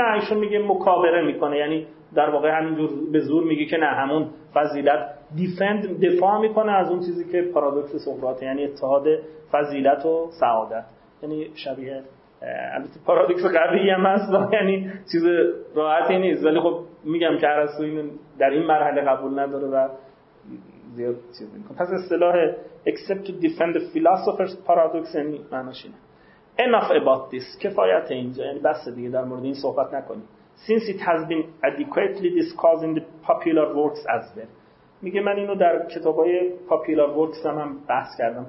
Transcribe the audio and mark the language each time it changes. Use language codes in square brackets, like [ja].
[fa] نه ایشون میگه مکابره میکنه، یعنی در واقع همینجور به زور میگه که نه همون فضیلت، دفاع میکنه از اون چیزی که پارادوکس سقراط، یعنی اتحاد فضیلت و سعادت. یعنی شبیه البته پارادوکس قبلی هم هست، یعنی چیز راحتی نیست، ولی خب میگم که ارسطو این در این مرحله قبول نداره و زیاد چیز میکنه. پس اصطلاح [en] except to defend the philosopher's paradox [fa] یعنی معناش اینه. [en] enough about this، [fa] کفایت اینجا، یعنی بس دیگه در مورد این صحبت نکنیم. [en] since it has been adequately discussed in the popular works as well، [fa] میگه من اینو در کتابای popular works هم بحث کردم.